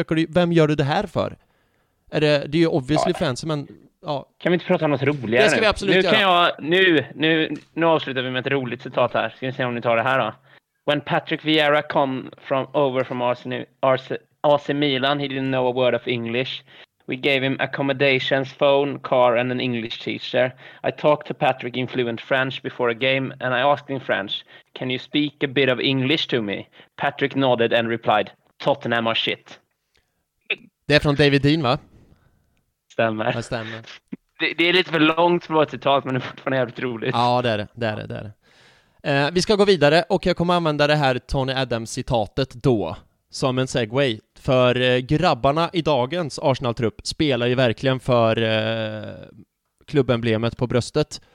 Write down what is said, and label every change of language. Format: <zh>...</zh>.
<sv>Vem gör du det här för? Det är ju obviously fans, men... Ja. Kan vi inte prata om något roligare? Det ska vi absolut göra. Nu avslutar vi med ett roligt citat här. Ska vi se om ni tar det här då.</sv> <en>When Patrick Vieira come from over from AC Milan, he didn't know a word of English. We gave him accommodations, phone, car and an English teacher. I talked to Patrick in fluent French before a game and I asked in French, can you speak a bit of English to me? Patrick nodded and replied, Tottenham are shit.</en> <sv>Det är från David Dean, va? Stämmer. Det stämmer. Det är lite för långt för ett citat, men det är fortfarande jävligt roligt. Ja, det är det. Vi ska gå vidare och jag kommer använda det här Tony Adams-citatet då. Som en segue, för grabbarna i dagens Arsenal-trupp spelar ju verkligen för klubbemblemet på bröstet.</sv>